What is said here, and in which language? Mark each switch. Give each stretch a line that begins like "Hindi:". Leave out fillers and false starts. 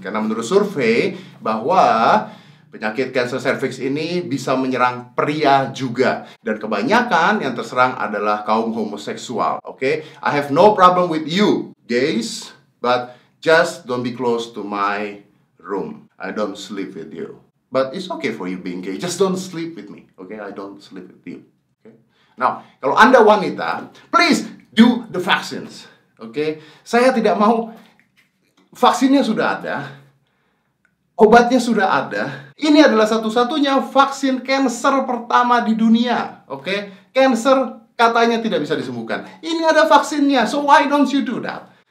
Indonesian: Karena menurut survei, bahwa penyakit kanker cervix ini bisa menyerang pria juga. Dan kebanyakan yang terserang adalah kaum homoseksual, oke?
English: Okay? I have no problem with you, gays, but just don't be close to my room. I don't sleep with you. But it's okay for you being gay, just don't sleep with me, oke? Okay? I don't sleep with you, oke? Okay? Now,
Indonesian: kalau Anda wanita,
English: please do the vaccines, oke? Okay?
Indonesian: Saya tidak mau, vaksinnya sudah ada, obatnya sudah ada. Ini adalah satu-satunya vaksin kanker pertama di dunia, oke? Okay? Kanker katanya tidak bisa disembuhkan. Ini ada vaksinnya,
English: so why don't you do that?